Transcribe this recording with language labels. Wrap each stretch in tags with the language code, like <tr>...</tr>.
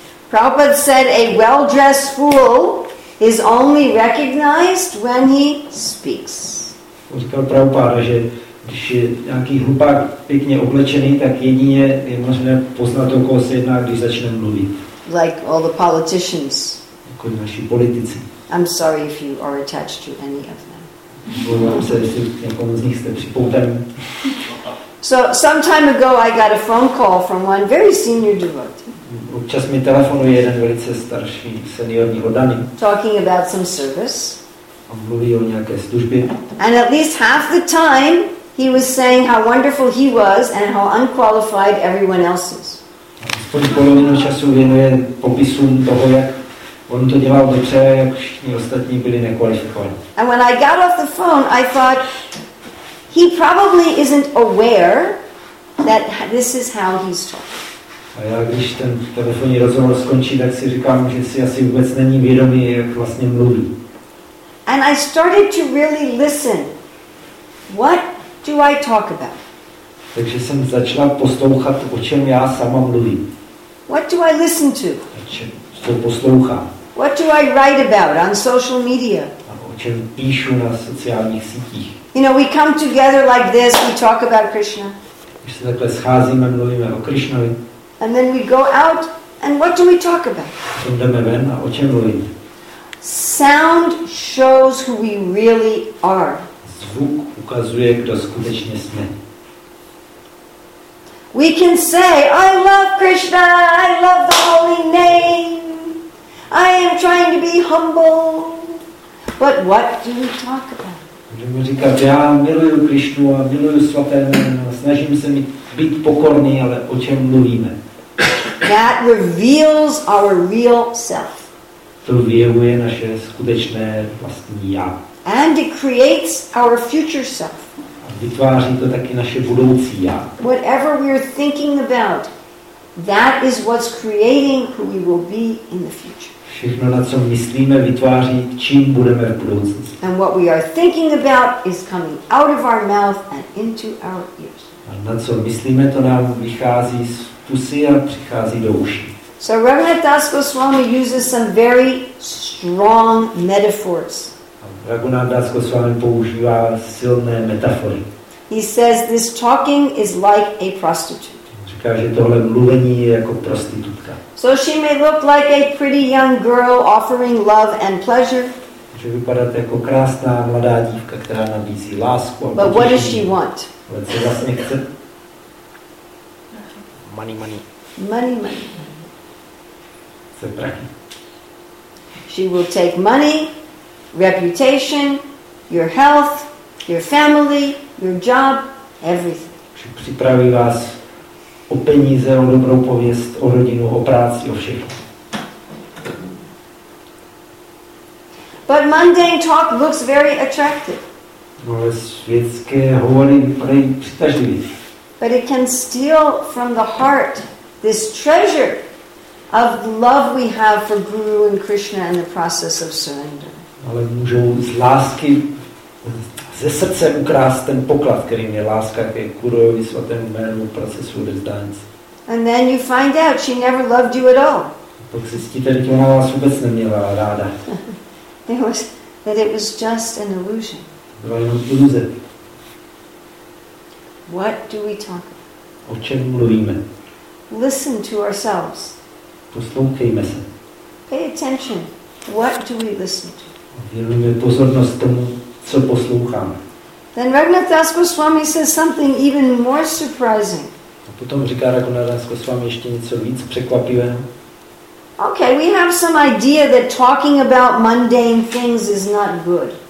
<en>Prabhupada said a well-dressed fool is only recognized when he speaks.</en> <cs>Říkal Prabhupada, že když je nějaký hlupák pěkně oblečený, tak jedině je možné poznat, o koho se jedná, když začne mluvit.</cs> <en>Like all the politicians.</en> <cs>Jako naši politici.</cs> <en>I'm sorry if you are attached to any of them.</en> <cs>Mluvám se, jestli někomu z nich jste připoutaný.</cs> <en>So some time ago I got a phone call from one very senior devotee.</en> <cs>Občas mi telefonuje jeden velice starší seniorní oddaný.</cs> <en>Talking about some service.</en> <cs>A mluví o nějaké službě.</cs> <en>And at least half the time he was saying how wonderful he was and how unqualified everyone else is.</en> <cs>Aspoň polovinu času věnuje popisům toho, jak on to dělal dobře, jak všichni ostatní byli nekvalifikovaní.</cs> <en>And when I got off the phone, I thought, he probably isn't aware that this is how he's talking.</en> <cs>A já když ten telefonní rozhovor skončí, tak si říkám, že si asi vůbec není vědomý, jak vlastně mluví.</cs> <en>And I started to really listen. What do I talk about?</en> <cs>Takže jsem začala poslouchat, o čem já sama mluvím.</cs> <en>What do I listen to?</en> <cs>Co poslouchám?</cs> <en>What do I write about on social media?</en> <cs>A o čem píšu na sociálních sítích?</cs> <en>You know, we come together like this, we talk about Krishna.</en> <cs>Když se takhle scházíme, mluvíme o Krišnovi.</cs> <en>And then we go out, and what do we talk about?</en> <cs>Potom jdeme ven a o čem mluvíme?</cs> <en>Sound shows who we really are.</en> <cs>Zvuk ukazuje, kdo skutečně jsme.</cs> <en>We can say, I love Krishna, I love the holy name. I am trying to be humble. But what do we talk about?</en> <cs>Můžeme říkat, já miluju Krišnu a miluju svaté jméno, snažím se být pokorný, ale o čem mluvíme?</cs> <en>That reveals our real self.</en> <cs>To vyjevuje naše skutečné vlastní já.</cs> <en>And it creates our future self.</en> <cs>A vytváří to taky naše budoucí já.</cs> <en>Whatever we are thinking about, that is what's creating who we will be in the future.</en> <cs>Všechno, na co myslíme, vytváří, čím budeme v budoucnosti.</cs> <en>And what we are thinking about is coming out of our mouth and into our ears.</en> <cs>A na co myslíme, to nám vychází z pusy a přichází do uší.</cs> <en>So Raghunath Das Goswami uses some very strong metaphors.</en> <cs>Raghunath Das Goswami používá silné metafory.</cs> <en>He says this talking is like a prostitute.</en> <cs>Říká, že tohle mluvení je jako prostitutka.</cs> <en>So she may look like a pretty young girl offering love and pleasure.</en> <cs>Může vypadat jako krásná mladá dívka, která nabízí lásku.</cs> <en>But what does she want?</en> <cs>Ale co vlastně chce?</cs> <en>Money, money. Money, money.</en> <cs>Chce prachy.</cs> <en>She will take money, reputation, your health, your family, your job, everything.</en> <cs>Připraví vás o peníze, o dobrou pověst, o rodinu, o práci, o všechno.</cs> <en>But mundane talk looks very attractive.</en> <cs>No, ale světské hovory vypadají přitažlivě.</cs> <en>But it can steal from the heart this treasure of love we have for Guru and Krishna and the process of surrender.</en> <cs>Ale můžou z lásky ze srdce ukrást ten poklad, kterým je láska ke Guruovi, svatému jménu, procesu odevzdání.</cs> <en>And then you find out she never loved you at all.</en> <cs>Pak zjistíte, že ona vás vůbec neměla ráda.</cs> <en>It was just an illusion.</en> <cs>Byla jenom iluze.</cs> <en>What do we talk about?</en> <cs>O čem mluvíme?</cs> <en>Listen to ourselves.</en> <cs>Poslouchejme se.</cs> <en>Pay attention. What do we listen to?</en> <cs>Věnujeme pozornost tomu, co posloucháme.</cs> <en>Then Raghunath Das Goswami says something even more surprising.</en> <cs>A potom říká Raghunath Das Goswami ještě něco víc překvapivého.</cs> <en>Okay, we have some idea that talking about mundane things is not good.</en>